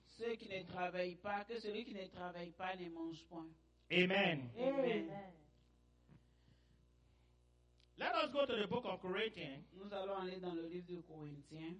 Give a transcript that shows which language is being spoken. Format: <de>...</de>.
<fr>Ceux qui ne travaillent pas, que celui qui ne travaille pas ne mange point. Amen. Amen.</fr> <en>Let us go to the book of Corinthians.</en> <fr>Nous allons aller dans le livre de Corinthiens.</fr>